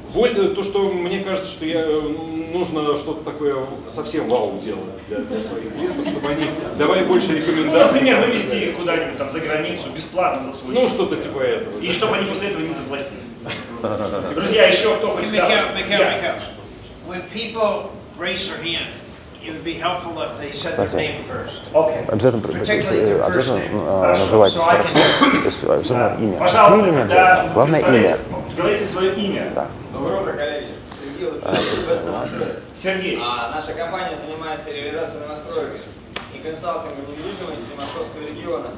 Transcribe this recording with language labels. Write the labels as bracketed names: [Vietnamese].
[Russian] Боль то, что мне кажется, что я нужно что-то такое совсем вау делать для своих клиентов, чтобы они давали больше рекомендаций. Ну, например, вывести их куда-нибудь там за границу бесплатно за свой. Ну, что-то типа этого. И чтобы они после этого не заплатили. Друзья, еще кто хочет? Микел. [English] When people raise their hand, it would be helpful if they said their name first. Okay. [Russian] Обязательно называйтесь хорошо. То есть, особенно имя. Фамилия не обязательно. Главное имя. Говорите свое имя. Да. Доброе утро, коллеги. Сергей. Наша компания занимается реализацией новостроек и консалтингом недвижимости Московского региона.